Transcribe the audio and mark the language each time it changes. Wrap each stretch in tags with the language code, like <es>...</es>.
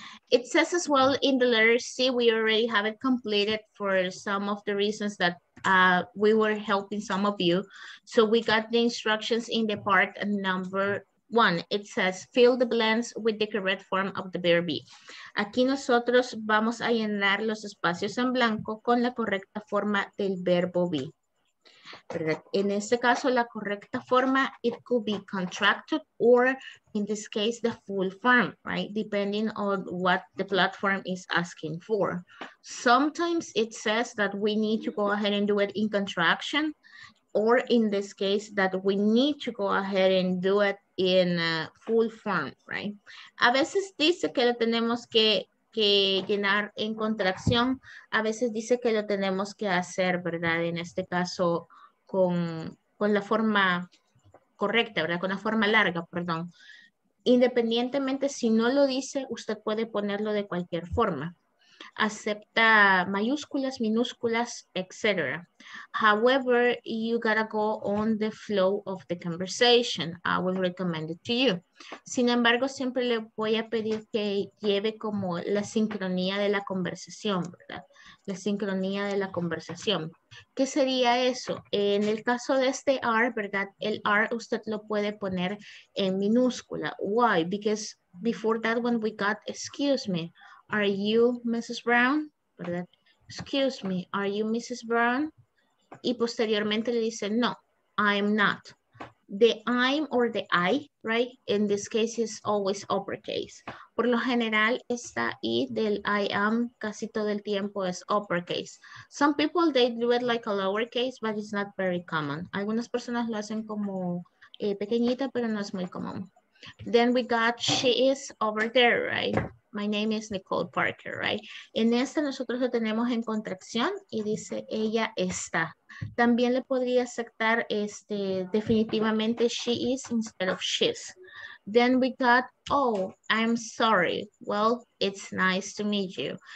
<en>It says as well in the letter C, we already have it completed for some of the reasons that we were helping some of you. So we got the instructions in the part number one. It says, fill the blanks with the correct form of the verb be.</en> <es>Aquí nosotros vamos a llenar los espacios en blanco con la correcta forma del verbo be. ¿Verdad? En este caso, la correcta forma,</es> <en>it could be contracted or in this case, the full form, right? Depending on what the platform is asking for. Sometimes it says that we need to go ahead and do it in contraction, or in this case, that we need to go ahead and do it in full form, right?</en> <es>A veces dice que lo tenemos que llenar en contracción. A veces dice que lo tenemos que hacer, ¿verdad? En este caso, con la forma correcta, ¿verdad? Con la forma larga, perdón. Independientemente, si no lo dice, usted puede ponerlo de cualquier forma. Acepta mayúsculas, minúsculas, etc.</es> <en>However, you gotta go on the flow of the conversation. I will recommend it to you.</en> <es>Sin embargo, siempre le voy a pedir que lleve como la sincronía de la conversación, ¿verdad? La sincronía de la conversación. ¿Qué sería eso? En el caso de este are, ¿verdad? El are usted lo puede poner en minúscula.</es> <en>Why? Because before that one we got, excuse me, are you Mrs. Brown?</en> <es>¿Verdad?</es> <en>Excuse me, are you Mrs. Brown?</en> <es>Y posteriormente le dice,</es> <en>no, I'm not. The I'm or the I, right? In this case, is always uppercase.</en> <es>Por lo general, esta I del I am casi todo el tiempo es uppercase.</es> <en>Some people, they do it like a lowercase, but it's not very common.</en> <es>Algunas personas lo hacen como pequeñita, pero no es muy común.</es> <en>Then we got, she is over there, right? My name is Nicole Parker, right?</en> <es>En esta nosotros lo tenemos en contracción y dice ella está. También le podría aceptar este, definitivamente</es> <en>she is instead of she's. Then we got, oh, I'm sorry. Well, it's nice to meet you.</en>